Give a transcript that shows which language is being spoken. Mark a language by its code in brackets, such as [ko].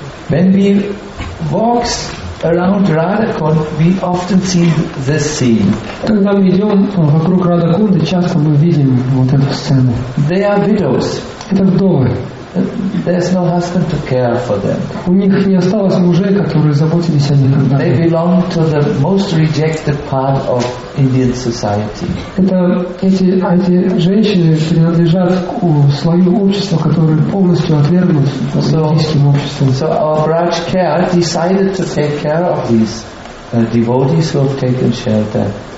[en] When we walk around Radhakund, we often see this scene. [ru] Когда мы идем вокруг Радхакунды, часто мы видим вот эту сцену. [en] They are widows. [ru] Это вдовы. [en] There's no husband to care for them. [ru] У них не осталось мужей, которые заботились о них. [en] They belong to the most rejected part of Indian society. [ru] Это эти женщины принадлежат к слою общества, которое полностью отвергнут индийским обществом. [en] So our Braj Care decided to take care of these devotees who have taken shelter.